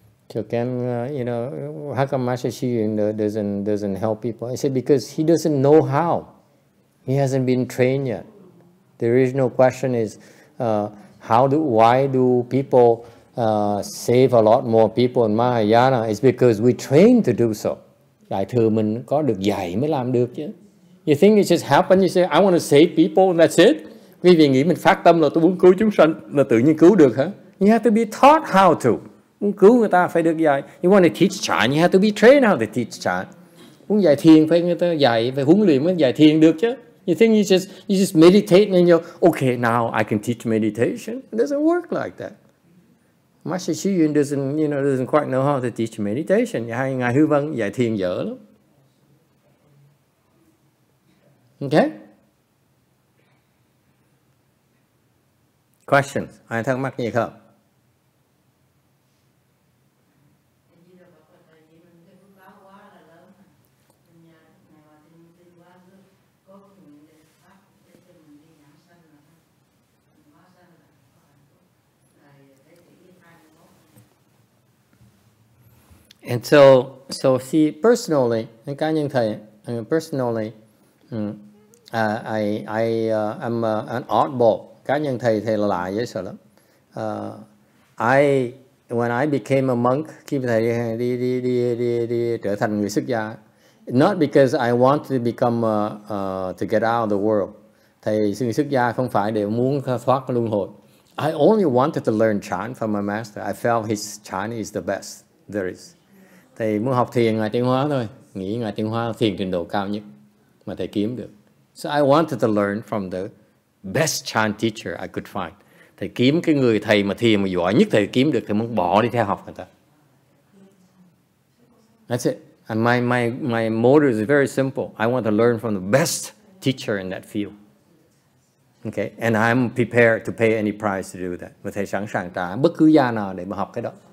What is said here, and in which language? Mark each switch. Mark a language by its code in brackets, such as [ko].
[en] So can, you know, how come Master XuYun doesn't help people? I said, because he doesn't know how. He hasn't been trained yet. The original question is, why do people save a lot more people in Mahayana? It's because we train to do so. [vi] Đại thừa mình có được dạy mới làm được chứ. [en] You think it just happened? You say, I want to save people and that's it? [vi] Quý vị nghĩ mình phát tâm là tôi muốn cứu chúng sanh là tự nhiên cứu được hả? [en] You have to be taught how to. [vi] Muốn cứu người ta phải được dạy. [en] You want to teach Chan, you have to be trained how to teach Chan. [vi] Muốn dạy thiền phải người ta dạy, phải huấn luyện mới dạy thiền được chứ. [en] You think you just meditate and you're, okay, now I can teach meditation. It doesn't work like that. Master XuYun doesn't quite know how to teach meditation. [vi] Hay ngài Hư Vân dạy thiền dở lắm. [en] Okay? [vi] Questions? Ai thắc mắc gì không? [en] And so see, personally, and [vi] cá nhân thầy, [en] personally, I'm an oddball. [vi] Cá nhân thầy là lạ dễ sợ lắm. [en] When I became a monk, [vi] khi thầy đi trở thành người xuất gia, [en] not because I want to become to get out of the world. [vi] Thầy người xuất gia không phải để muốn thoát luân hồi. [en] I only wanted to learn Chan from my master. I felt his Chan is the best there is. [vi] Thầy muốn học thiền ngoài Tiếng Hoa thôi. Nghĩ ngoài Tiếng Hoa thiền trình độ cao nhất mà thầy kiếm được. [en] So I wanted to learn from the best Chan teacher I could find. [vi] Thầy kiếm cái người thầy mà thiền mà giỏi nhất thầy kiếm được, thầy muốn bỏ đi theo học người ta. [en] That's it. And my motive is very simple. I want to learn from the best teacher in that field. Okay? And I'm prepared to pay any price to do that. [vi] Mà thầy sẵn sàng trả bất cứ giá nào để mà học cái đó.